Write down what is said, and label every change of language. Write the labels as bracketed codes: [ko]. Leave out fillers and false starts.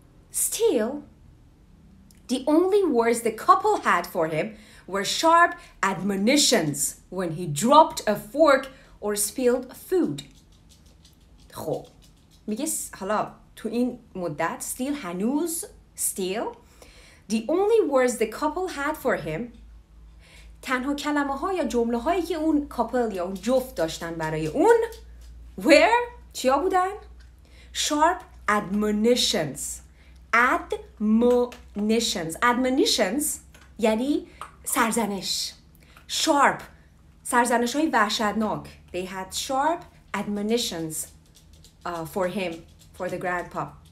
[en] Still, the only words the couple had for him were sharp admonitions when he dropped a fork or spilled food. [fa] خب میگه حالا تو این مدت، still هنوز، [en] still the only words the couple had for him، [fa] تنها کلمه ها یا جمله هایی که اون کپل یا اون جفت داشتن برای اون، where، چیا بودن؟ [en] sharp admonitions. Admonitions. [fa] Admonitions یعنی سرزنش. Sharp، سرزنش های وحشتناک. [en] They had sharp admonitions for him, for the grandpa.